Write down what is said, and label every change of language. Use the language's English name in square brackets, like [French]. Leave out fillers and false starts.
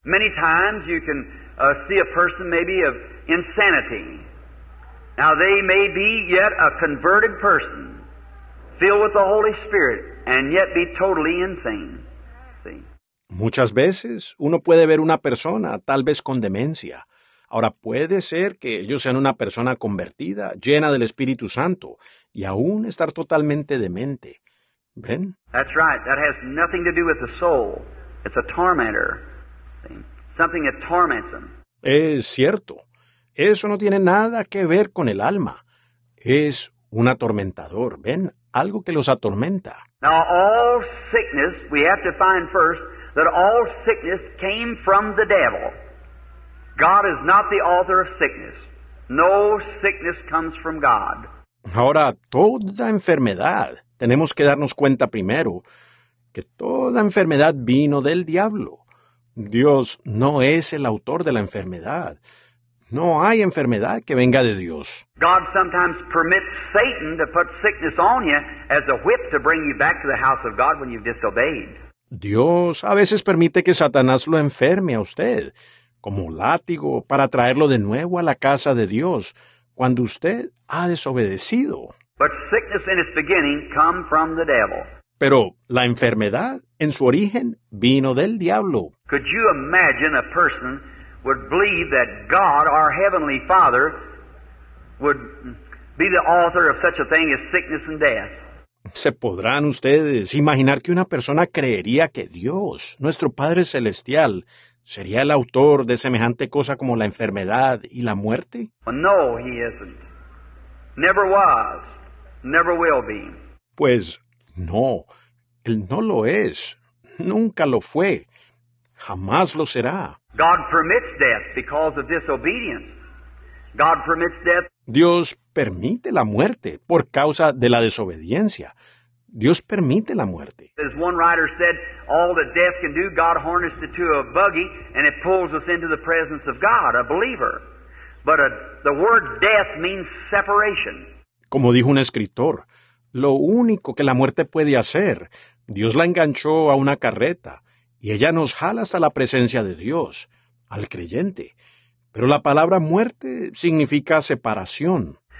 [English] Many times you can see a person maybe of insanity. Now they may be yet a converted person, filled with the Holy Spirit, and yet be totally insane. See? [Spanish] Muchas veces uno puede ver una persona, tal vez con demencia. Ahora puede ser que ellos sean una persona convertida, llena del Espíritu Santo, y aún estar totalmente demente. ¿Ven? [English] That's right. That has nothing to do with the soul. It's a tormentor. Something that torments them. [Spanish] Es cierto. Eso no tiene nada que ver con el alma. Es un atormentador. ¿Ven? Algo que los atormenta. [English] Now, all sickness, we have to find first that all sickness came from the devil. God is not the author of sickness. No sickness comes from God. [Spanish] Ahora, toda enfermedad, tenemos que darnos cuenta primero que toda enfermedad vino del diablo. Dios no es el autor de la enfermedad. No hay enfermedad que venga de Dios. [English] God sometimes permits Satan to put sickness on you as a whip to bring you back to the house of God when you've disobeyed. [Spanish] Dios a veces permite que Satanás lo enferme a usted como látigo para traerlo de nuevo a la casa de Dios cuando usted ha desobedecido. [English] But sickness in its beginning come from the devil. [Spanish] Pero la enfermedad, en su origen, vino del diablo. [English] Could you imagine a person would believe that God, our Heavenly Father, would be the author of such a thing as sickness and death. [Spanish] ¿Se podrán ustedes imaginar que una persona creería que Dios, nuestro Padre Celestial, sería el autor de semejante cosa como la enfermedad y la muerte? [English] Well, no, he isn't. Never was, never will be. [Spanish] Pues no, él no lo es, nunca lo fue, jamás lo será. [English] God permits death because of disobedience. God permits death. [Spanish] Dios permite la muerte por causa de la desobediencia. Dios permite la muerte. [English] As one writer said, all that death can do, God harnessed it to a buggy and it pulls us into the presence of God, a believer. But the word death means separation. [Spanish] Como dijo un escritor, lo único que la muerte puede hacer, Dios la enganchó a una carreta y ella nos jala hasta la presencia de Dios, al creyente. Pero la palabra muerte significa separación.